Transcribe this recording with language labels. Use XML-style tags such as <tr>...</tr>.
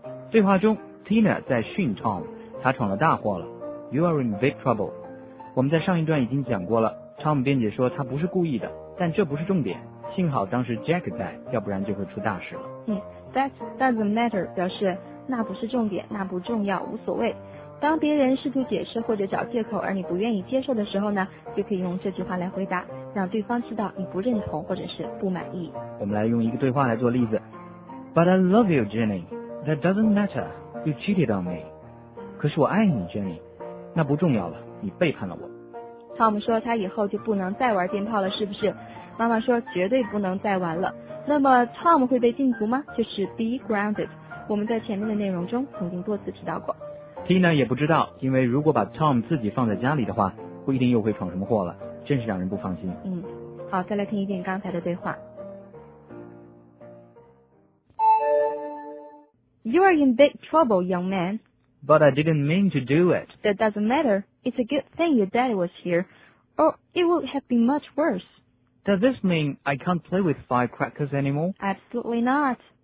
<zh>对话中 Tina 在训 Tom， 他闯了大祸了，</zh> <en>You are in big trouble。</en> <zh>我们在上一段已经讲过了， Tom 辩解说他不是故意的，但这不是重点，幸好当时 Jack 在，要不然就会出大事了。</zh> <en>That doesn't matter</en> <zh>表示那不是重点，那不重要，无所谓。当别人试图解释或者找借口而你不愿意接受的时候呢，就可以用这句话来回答，让对方知道你不认同或者是不满意。我们来用一个对话来做例子。</zh> <en>But I love you, Jenny. That doesn't matter. You cheated on me.</en> <zh>可是我爱你 Jenny. 那不重要了，你背叛了我。 Tom 说他以后就不能再玩鞭炮了，是不是？妈妈说绝对不能再玩了。那么 Tom 会被禁足吗？就是</zh> <en>be grounded.</en> <zh>我们在前面的内容中曾经多次提到过。 Tina 也不知道，因为如果把 Tom 自己放在家里的话，不一定又会闯什么祸了，真是让人不放心。好，再来听一遍刚才的对话。</zh> <en>You are in big trouble, young man. but I didn't mean to do it. That doesn't matter. It's a good thing your daddy was here, or it would have been much worse. Does this mean I can't play with firecrackers anymore? Absolutely not.</en>